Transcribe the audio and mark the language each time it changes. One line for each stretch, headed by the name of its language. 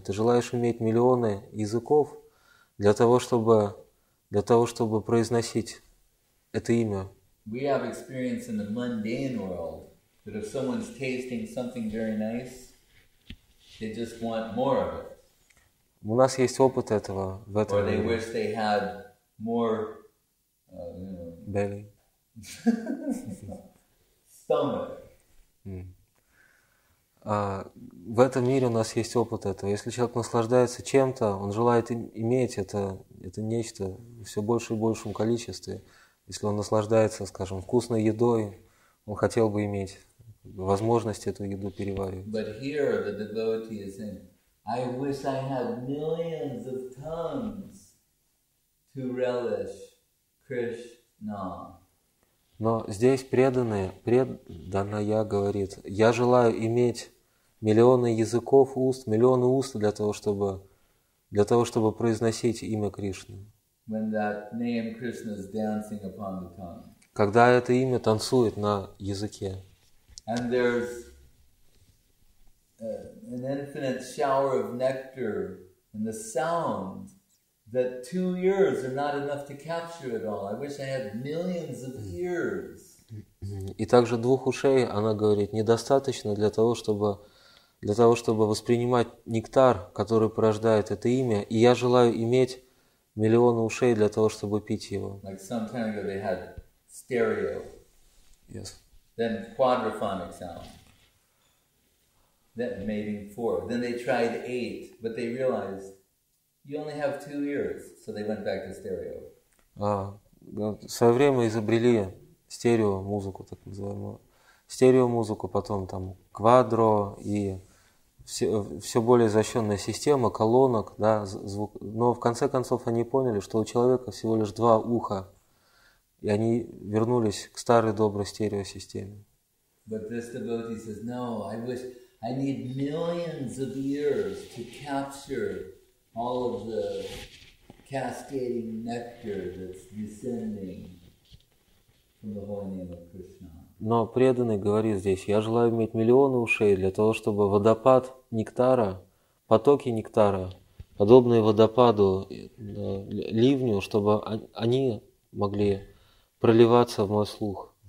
Russian: Ты желаешь иметь миллионы языков для того, чтобы произносить это имя.
English: We have experience in the mundane world that if someone's tasting something very nice, they just want more of it.
Russian: У нас есть опыт этого в этом мире.
English: Or they wish they had more, belly. Stomach.
Russian: В этом мире у нас есть опыт этого. Если человек наслаждается чем-то, он желает иметь это нечто в все больше и большем количестве. Если он наслаждается, скажем, вкусной едой, он хотел бы иметь возможность эту еду переваривать.
English: But here the devotee is saying, I wish I had millions of tongues to relish Krishna.
Russian: Но здесь преданная говорит, я желаю иметь миллионы языков, уст, миллионы уст для того, чтобы произносить имя Кришны.
English: When that name Krishna is dancing upon the tongue.
Russian: Когда это имя танцует на языке.
English: And there's an infinite shower of nectar in the sound. That 2 years are not enough to capture it all. I wish I had millions of ears.
Russian: И также двух ушей, она говорит, недостаточно для того, чтобы воспринимать нектар, который порождает это имя. И я желаю иметь миллионы ушей для того, чтобы пить его.
English: Like some time ago they had stereo. Yes. Then quadraphonic sound. Then maybe four. Then they tried eight, but they realized. You only have 2 ears, so they went back to stereo.
Russian: В свое время изобрели стерео музыку, так называемую. Стерео музыку, потом там квадро и все более изощренная система колонок, да, звук. Но в конце концов они поняли, что у человека всего лишь два уха, и они вернулись к старой доброй стереосистеме.
English: But this devotee says, no, I wish I need millions of ears to capture. All of the cascading nectar that's descending from the holy name of Krishna.
Russian: Но преданный говорит здесь, я желаю иметь миллионы ушей для того, чтобы водопад нектара, потоки нектара, подобные водопаду, ливню, чтобы они могли проливаться в мой слух.